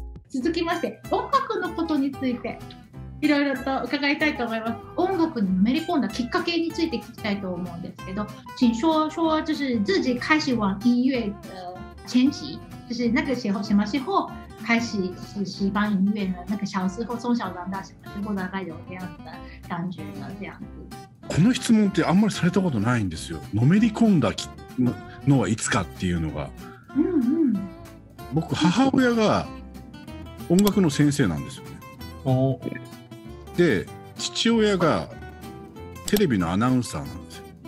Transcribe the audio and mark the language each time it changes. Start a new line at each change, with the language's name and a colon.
Japanese: 続きまして、音楽のことについていろいろと伺いたいと思います。音楽にめり込んだきっかけについて聞きたいと思うんですけど、
Chinese: 请说说就是自己开始往音乐的前期，就是那个时候什么时候开始是喜欢音乐呢？那个小时候从小到大什么时候大概有这样的感觉呢？这样子。
Japanese: この質問ってあんまりされたことないんですよ。のめり込んだのはいつかっていうのが。うんうん。僕母親が音楽の先生なんですよね。で、父親がテレビのアナウンサーなんですよ。